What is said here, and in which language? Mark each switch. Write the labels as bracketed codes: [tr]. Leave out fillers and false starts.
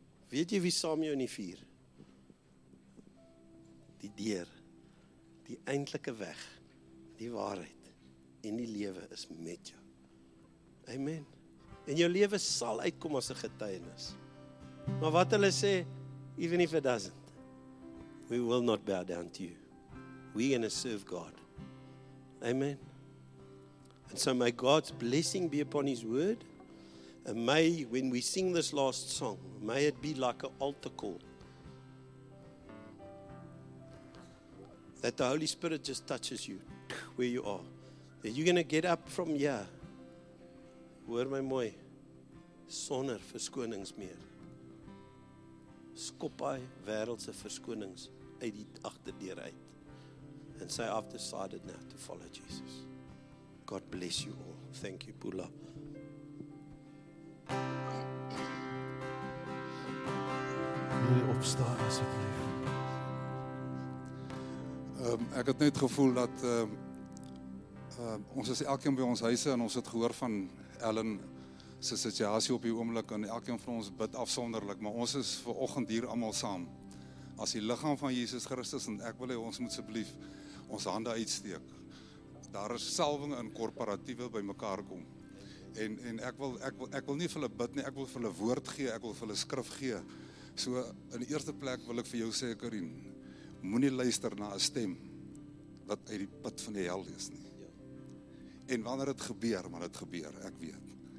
[af] Weet jy wie saam jou in die vuur? Die deur. Die eintlike weg. Die waarheid en die lewe is met jou. Amen. En jou lewe sal uitkom as 'n getuienis. Maar wat hulle sê, [en] even if it doesn't, we will not bow down to you. We're going to serve God. Amen. And so may God's blessing be upon his word. And may, when we sing this last song, may it be like an altar call. That the Holy Spirit just touches you. Where you are, that you're going to get up from here. [af] Hoor my mooi, sonder verskonings meer. Skop hy wêreldse verskonings uit die agterdeur uit. [en] And say, I've decided now to follow Jesus. God bless you all. Thank you, Pula. [af] Wil jy opstaan asseblief? Ek het net gevoel dat ons is elkeen by ons huise en ons het gehoor van Ellen se situasie op die oomblik en elkeen van ons bid afsonderlik, maar ons is ver oggend hier almal saam as die liggaam van Jesus Christus en ek wil hê ons moet asseblief ons hande uitsteek. Daar is salwing in korporatiewe by mekaar kom. En ek wil nie vir hulle bid nie, ek wil vir hulle woord gee, ek wil vir hulle skrif gee. So in die eerste plek wil ek vir jou sê, Karin, moenie luister na 'n stem wat uit die put van die hel is nie. En wanneer het gebeur, maar het gebeur, ek weet.